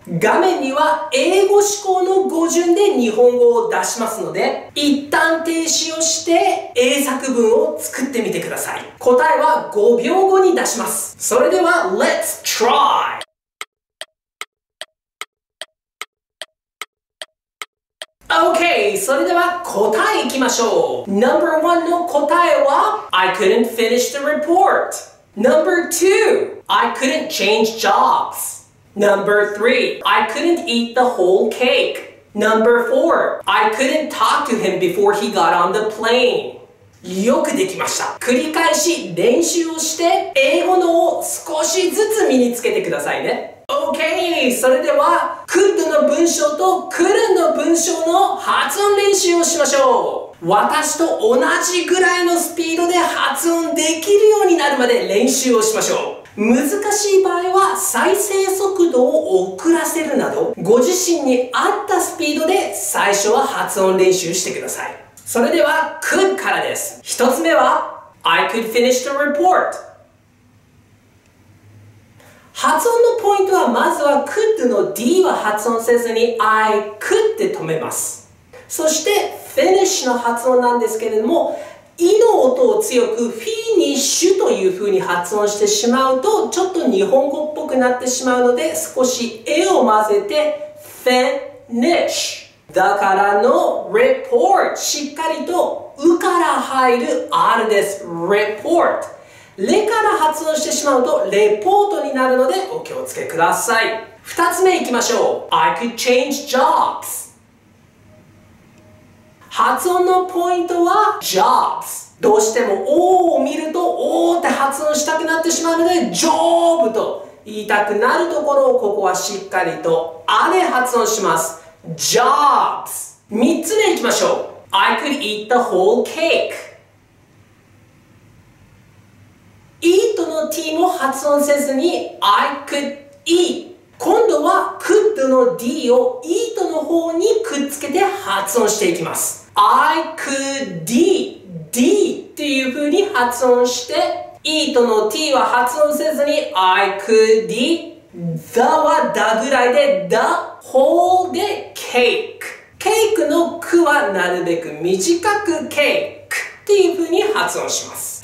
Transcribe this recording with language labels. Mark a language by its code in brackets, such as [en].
[ja] 画面には英語思考の語順で日本語を出しますので、一旦停止をして英作文を作ってみてください。答えは5秒後に出します。それでは [en] Let's try。 [ja] OK、 それでは答えいきましょう。 [en] Number 1 [ja] の答えは [en] I couldn't finish the report。 Number 2、 I couldn't change jobsNumber 3, I couldn't eat the whole cake. Number 4, I couldn't talk to him before he got on the plane. [ja] よくできました。繰り返し練習をして英語のを少しずつ身につけてくださいね。 OK! それでは、could の文章と couldn't の文章の発音練習をしましょう。私と同じぐらいのスピードで発音できるようになるまで練習をしましょう。難しい場合は再生速度を遅らせるなど、ご自身に合ったスピードで最初は発音練習してください。それでは could からです。一つ目は [en] I could finish the report。 [ja] 発音のポイントは、まずは could の D は発音せずに I could で止めます。そして finish の発音なんですけれども、イの音を強くフィニッシュというふうに発音してしまうと、ちょっと日本語っぽくなってしまうので、少しエを混ぜてフェニッシュだからのレポート、しっかりとウから入る R です。レポート、レから発音してしまうとレポートになるのでお気をつけください。 2つ目いきましょう。 [en] I could change jobs。 [ja] 発音のポイントは jobs。どうしても O を見ると O って発音したくなってしまうので、 job と言いたくなるところをここはしっかりとあで発音します。 jobs。 3つ目いきましょう。 [en] I could eat the whole cake。 [ja] eat の T も発音せずに [en] I could eat。 [ja] 今度は could の D を eat の方にくっつけて発音していきます。I could D っていう風に発音して、 E との T は発音せずに I could The はだぐらいで The whole で cake、 cake のくはなるべく短く cake っていう風に発音します。